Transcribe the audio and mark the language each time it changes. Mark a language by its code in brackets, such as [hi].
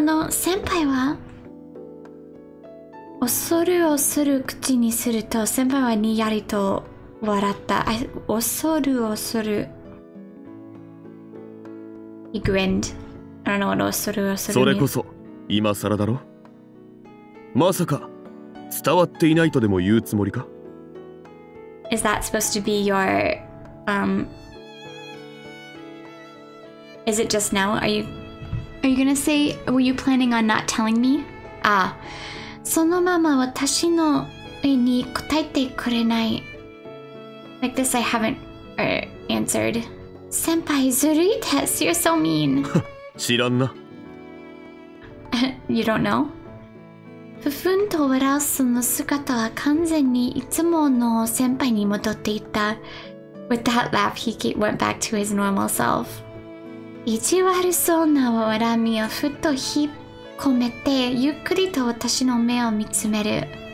[ja] 先輩は恐る恐る口にすると先輩はにやりと笑った。恐る恐る。 [en] He grinned. I don't know what 恐る恐る means. [ja] それこそ今更だろ。まさか伝わっていないとでも言うつもりか。 [en] Is that supposed to be your, Is it just now? Are you gonna say, were you planning on not telling me? Ah. [ja] そのまま私の上に答えてくれない。 [en] Like this, I haven't answered. [ja] 先輩ずるいです。 [en] You're so mean. [ja] 知らんな。 [en] You don't know? [ja] ふふんと笑うその姿は完全にいつもの先輩に戻っていた。 [en] With that laugh, he went back to his normal self. [ja] 意地悪そうな笑みをふっと引っ込めてゆっくりと私の目を見つめる。